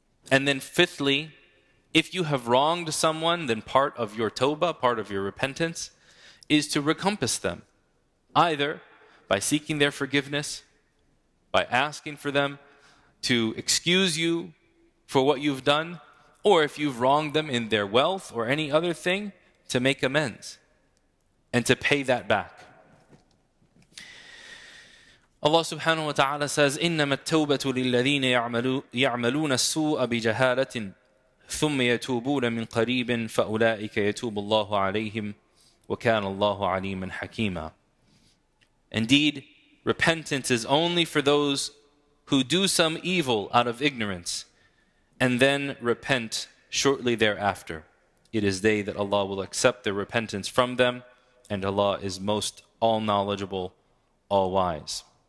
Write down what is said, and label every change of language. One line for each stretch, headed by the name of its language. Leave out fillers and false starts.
English: And then fifthly, if you have wronged someone, then part of your tawbah, part of your repentance, is to recompense them, either by seeking their forgiveness, by asking for them to excuse you for what you've done, or if you've wronged them in their wealth or any other thing, to make amends and to pay that back.
Arabic: Allah subhanahu wa ta'ala says, إِنَّمَا التَّوْبَةُ لِلَّذِينَ يَعْمَلُونَ السُّوءَ بِجَهَالَةٍ ثُمَّ يَتُوبُونَ مِنْ قَرِيبٍ فَأُولَٰئِكَ يَتُوبُ اللَّهُ عَلَيْهِمْ وَكَانَ اللَّهُ عَلِيمًا حَكِيمًا.
English: Indeed, repentance is only for those who do some evil out of ignorance and then repent shortly thereafter. It is they that Allah will accept their repentance from them, and Allah is most all-knowledgeable, all-wise.